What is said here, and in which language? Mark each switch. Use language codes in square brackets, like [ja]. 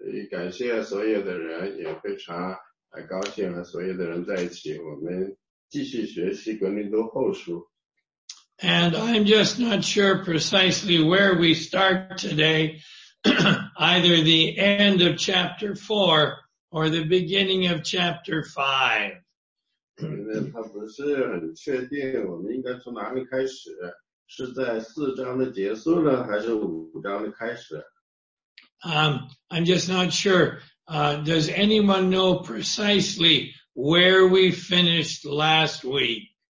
[zh] 感谢所有的人，也非常高兴和所有的人在一起，我们继续学习《格林多后书》。 [en] And I'm just not sure precisely where we start today, either the end of chapter 4 or the beginning of chapter 5. [zh] 他不是很确定我们应该从哪里开始，是在四章的结束呢，还是五章的开始？ [en] I'm just not sure. Does anyone know precisely where we finished last week?